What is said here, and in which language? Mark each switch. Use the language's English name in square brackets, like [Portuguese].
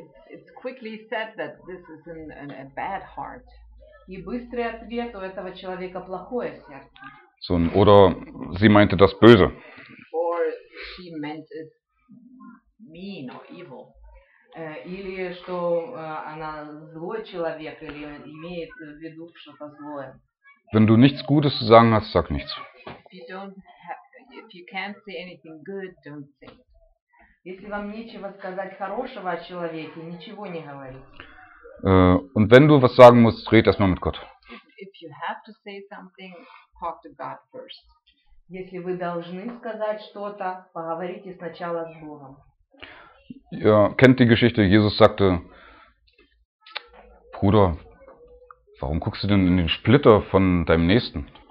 [English] It's quickly said that this is a bad heart. [Russian] И быстрый ответ у этого человека плохое сердце. [German] So, oder sie meinte das Böse. [English] Or she meant it mean or evil. [Russian] Или что она злой человек или имеет в виду что-то злое. [German] Wenn du nichts Gutes zu sagen hast, sag nichts. [English] If you can't say anything good, don't say it. [Russian] Если вам нечего сказать хорошего о человеке, ничего не говорите. [German] Und wenn du was sagen musst, red erstmal mit Gott. [English] If you have to say something, talk to God first. [Russian] Если вы должны сказать что-то, поговорите сначала с Богом. [German] Ja, kennt die Geschichte, Jesus sagte, Bruder, warum guckst du denn in den Splitter von deinem Nächsten?